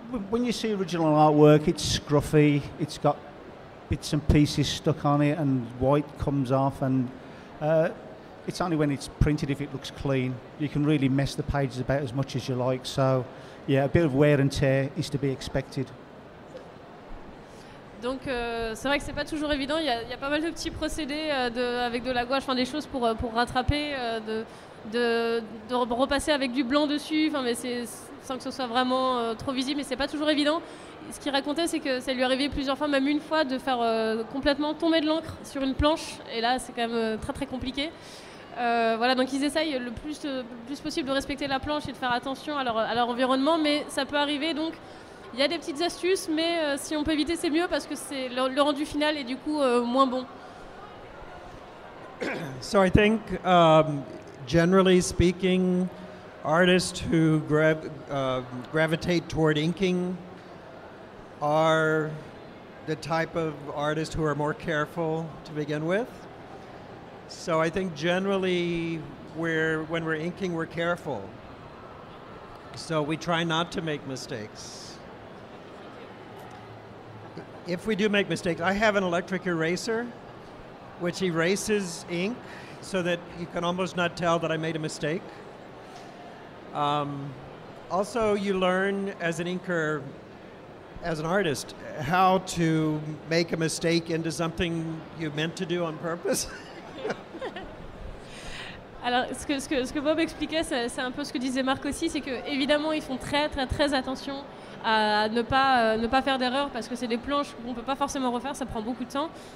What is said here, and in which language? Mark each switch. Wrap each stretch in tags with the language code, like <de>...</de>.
<en>When you see original artwork, it's scruffy, it's got bits and pieces stuck on it and white comes off, and it's only when it's printed, if it looks clean, you can really mess the pages about as much as you like. So yeah, a bit of wear and tear is to be expected.</en> <fr>Donc c'est vrai que c'est pas toujours évident, il y a pas mal de petits procédés avec de la gouache, enfin des choses pour rattraper, de repasser avec du blanc dessus, enfin mais c'est sans que ce soit vraiment trop visible, mais c'est pas toujours évident. Ce qu'il racontait, c'est que ça lui arrivait plusieurs fois, même une fois, de faire complètement tomber de l'encre sur une planche, et là c'est quand même très très compliqué. Voilà, donc ils essayent le plus possible de respecter la planche et de faire attention à leur environnement, mais ça peut arriver. Donc il y a des petites astuces, mais si on peut éviter, c'est mieux, parce que c'est le rendu final est du coup moins bon.</fr> <en>So I think generally speaking, artists who gravitate toward inking are the type of artists who are more careful to begin with. So I think generally when we're inking, we're careful. So we try not to make mistakes. If we do make mistakes, I have an electric eraser which erases ink so that you can almost not tell that I made a mistake. Also, you learn as an inker, as an artist, how to make a mistake into something you meant to do on purpose.</en> <fr>Alors, ce que Bob expliquait, c'est un peu ce que disait Marc aussi, c'est que évidemment, ils font très très très attention à ne pas faire d'erreur, parce que c'est des planches qu'on peut pas forcément refaire, ça prend beaucoup de temps.</fr>